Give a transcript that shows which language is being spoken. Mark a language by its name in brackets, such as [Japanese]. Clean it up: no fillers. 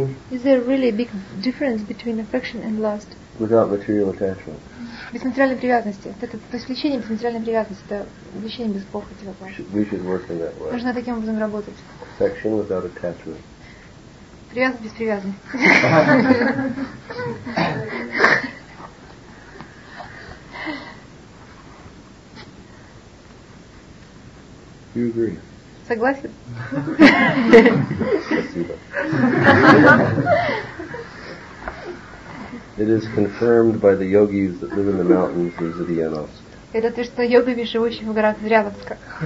[English] Is there really a big difference between affection and lust? Without material attachment. [Russian] Без материальной привязанности. Это то есть влечение без материальной привязанности. Это влечение без похоти. [English] We should work in that way. [Russian] Нужно таким образом работать. [English] Affection without attachment. [Russian] Привязанность без привязанности. [English] You agree? [Russian] Согласен? Спасибо. [English] It is confirmed by the yogis that live in the mountains of Zadianovsk. [Russian] Это то, что йогами, живущими в горах Зрядовска.